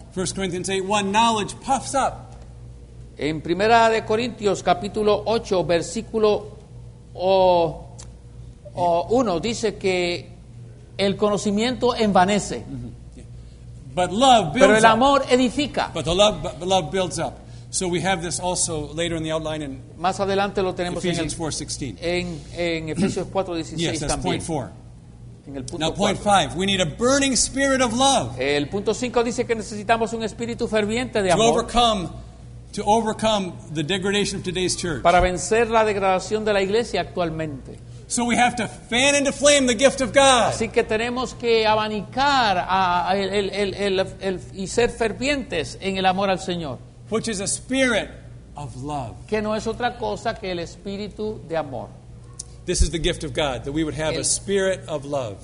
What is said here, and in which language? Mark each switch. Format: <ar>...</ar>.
<en>1 Corinthians 8:1, knowledge puffs up.</en> <es>En Primera de Corintios, capítulo 8, versículo 1, dice que el conocimiento envanece.</es> <en>But love builds</en> <es>up. Pero el amor edifica.</es> <en>But the love, love builds up. So we have this also later in the outline in</en> <es>más adelante lo tenemos</es> <en>Ephesians 4:16.</en> <es>En Efesios 4:16.</es> <en>Yes, that's</en> <es>también.</es> <en>Point four.</en> <es>En el punto</es> <en>now</en> <es>cuatro.</es> <en>Point five. We need a burning spirit of love.</en> <es>El punto cinco dice que necesitamos un espíritu ferviente de amor.</es> <en>To overcome the degradation of today's church.</en> <es>Para vencer la degradación de la iglesia actualmente.</es> <en>So we have to fan into flame the gift of God.</en> <es>Así que tenemos que abanicar el y ser fervientes en el amor al Señor.</es> <en>Which is a spirit of love.</en> <es>Que no es otra cosa que el espíritu de amor.</es> <en>This is the gift of God, that we would have a spirit of love.</en>